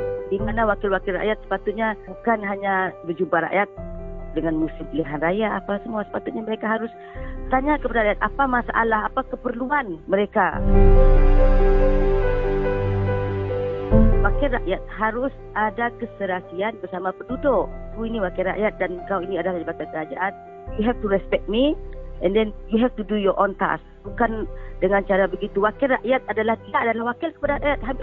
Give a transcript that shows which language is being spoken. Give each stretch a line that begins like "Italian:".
Malay: Di mana wakil-wakil rakyat sepatutnya bukan hanya berjumpa rakyat dengan musim pilihan raya, apa semua. Sepatutnya mereka harus tanya kepada rakyat apa masalah, apa keperluan mereka. Wakil rakyat harus ada keserasian bersama penduduk. Kau ini wakil rakyat dan kau ini adalah jabatan kerajaan.
English: You have to respect me and then you have to do your own task.
Malay: Bukan dengan cara begitu. Wakil rakyat adalah dia adalah wakil kepada rakyat.